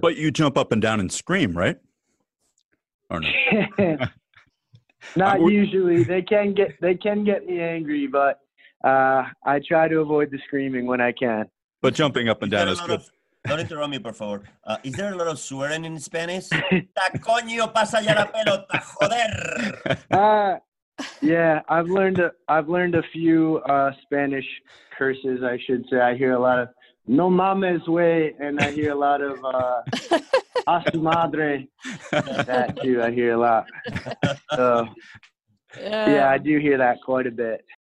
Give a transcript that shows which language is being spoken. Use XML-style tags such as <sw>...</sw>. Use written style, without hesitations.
<en>But you jump up and down and scream, right? Or no? Not usually. They can get me angry, but I try to avoid the screaming when I can. But jumping up and down is good. Don't interrupt me,</en> <es>por favor.</es> <en>Is there a lot of swearing in Spanish?</en> <es>¡Ta coño pasa ya la pelota, joder!</es> <en>Yeah, I've learned a few Spanish curses, I should say. I hear a lot of</en> <es>no mames, güey,</es> <en>and I hear a lot of</en> <es>a su madre.</es> <en>That too, I hear a lot. So, yeah, I do hear that quite a bit.</en>